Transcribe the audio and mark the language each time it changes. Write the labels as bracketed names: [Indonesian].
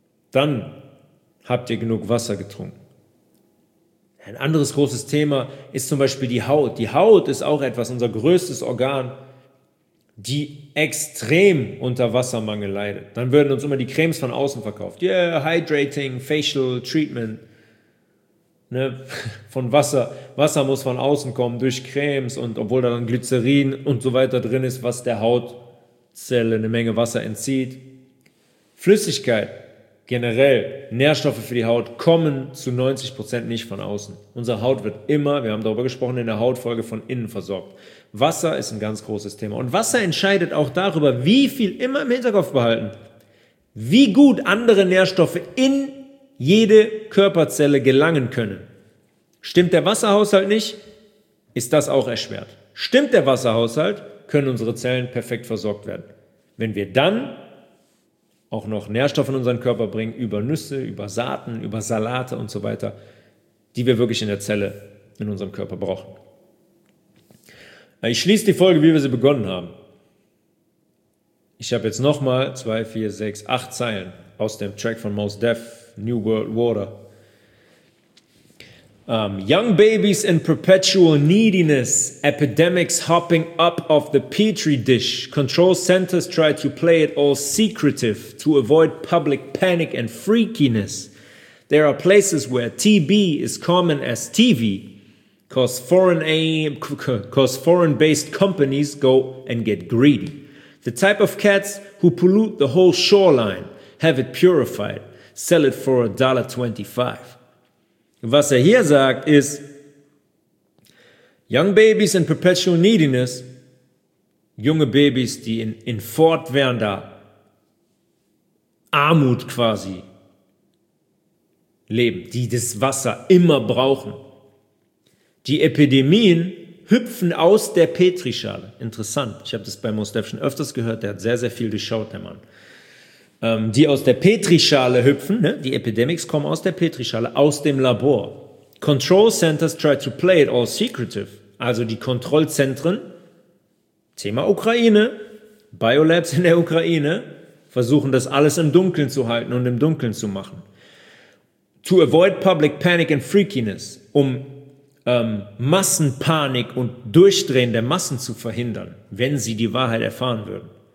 [German] Dann habt ihr genug Wasser getrunken. Ein anderes großes Thema ist zum Beispiel die Haut. Die Haut ist auch etwas, unser größtes Organ, die extrem unter Wassermangel leidet. Dann würden uns immer die Cremes von außen verkauft. [English] Yeah, hydrating, facial treatment. [German] Ne? Von Wasser. Wasser muss von außen kommen durch Cremes, und obwohl da dann Glycerin und so weiter drin ist, was der Hautzelle eine Menge Wasser entzieht. Flüssigkeit generell, Nährstoffe für die Haut kommen zu 90% nicht von außen. Unsere Haut wird immer, wir haben darüber gesprochen, in der Hautfolge von innen versorgt. Wasser ist ein ganz großes Thema. Und Wasser entscheidet auch darüber, wie viel, immer im Hinterkopf behalten, wie gut andere Nährstoffe in jede Körperzelle gelangen können. Stimmt der Wasserhaushalt nicht, ist das auch erschwert. Stimmt der Wasserhaushalt, können unsere Zellen perfekt versorgt werden. Wenn wir dann auch noch Nährstoffe in unseren Körper bringen, über Nüsse, über Saaten, über Salate und so weiter, die wir wirklich in der Zelle, in unserem Körper brauchen. Ich schließe die Folge, wie wir sie begonnen haben. Ich habe jetzt nochmal 2, 4, 6, 8 Zeilen aus dem Track von Mos Def, New World Water. [English] Young babies in perpetual neediness, epidemics hopping up of the petri dish. Control centers try to play it all secretive to avoid public panic and freakiness. There are places where TB is common as TV, cause foreign-based companies go and get greedy. The type of cats who pollute the whole shoreline, have it purified, sell it for $1.25. [German] Was er hier sagt, ist, [English] young babies in perpetual neediness, [German] junge Babys, die in fortwährender Armut quasi leben, die das Wasser immer brauchen. Die Epidemien hüpfen aus der Petrischale. Interessant, ich habe das bei Mos Def schon öfters gehört, der hat sehr, sehr viel durchschaut, der Mann. Die aus der Petrischale hüpfen, ne? Die Epidemics kommen aus der Petrischale, aus dem Labor. [English] Control centers try to play it all secretive. [German] Also die Kontrollzentren, Thema Ukraine, Biolabs in der Ukraine, versuchen das alles im Dunkeln zu halten und im Dunkeln zu machen. [English] To avoid public panic and freakiness, [German] um Massenpanik und Durchdrehen der Massen zu verhindern, wenn sie die Wahrheit erfahren würden.